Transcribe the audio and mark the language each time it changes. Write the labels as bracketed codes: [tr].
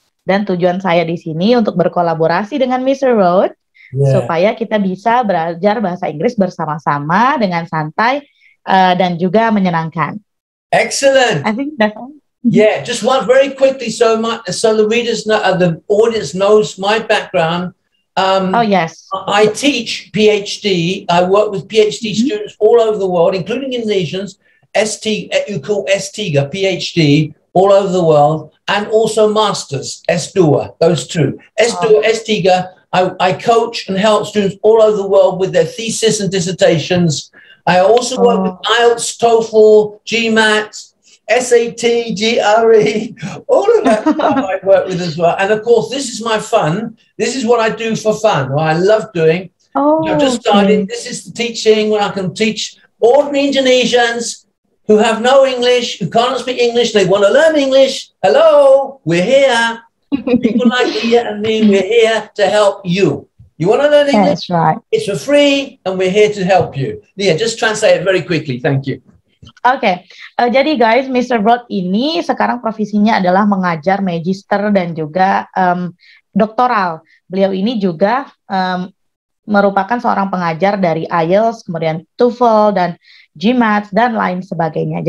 [id] Dan tujuan saya di sini untuk berkolaborasi dengan Mr. Rhode. Yeah. Supaya kita bisa belajar bahasa Inggris bersama-sama dengan santai dan juga menyenangkan. [en] Excellent. I think that's all. Yeah, just one very quickly so the readers know, the audience knows my background. Oh yes. I teach PhD. I work with PhD mm-hmm. students all over the world, including Indonesians. ST, you call STIGA, PhD, all over the world. and also masters, S2, those two. S2, S3, I coach and help students all over the world with their thesis and dissertations. I also work with IELTS, TOEFL, GMAT, SAT, GRE, all of that stuff I work with as well. And of course, this is my fun. This is what I do for fun, what I love doing. I've just started. This is the teaching where I can teach ordinary Indonesians who have no English, who can't speak English, they want to learn English. Hello, we're here. People like Ia and me, we're here to help you. You want to learn English? That's right. It's for free, and we're here to help you. Ia, just translate it very quickly. Thank you. [id] Okay. Jadi guys, Mr. Broad ini sekarang profesinya adalah mengajar magister dan juga doktoral. Beliau ini juga merupakan seorang pengajar dari IELTS, kemudian TOEFL, dan GMAT, dan lain sebagainya.